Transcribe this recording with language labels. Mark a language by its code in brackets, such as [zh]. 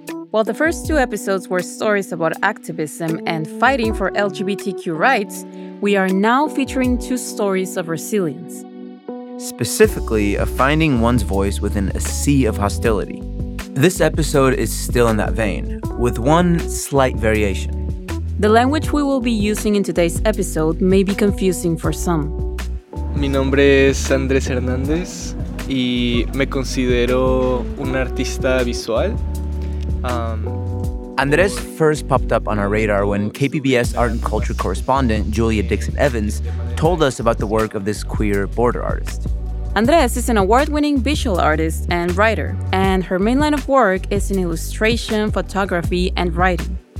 [en] While the first two episodes were stories about activism and fighting for LGBTQ rights, we are now featuring two stories of resilience. Specifically, of finding one's voice within a sea of hostility. This episode is still in that vein, with one slight variation. The language we will be using in today's episode may be confusing for some. [es] Mi nombre es Andrés Hernández y me considero un artista visual. [en] Andrés first popped up on our radar when KPBS art and culture correspondent Julia Dixon Evans told us about the work of this queer border artist. Andrés is an award-winning visual artist and writer, and her main line of work is in illustration, photography, and writing.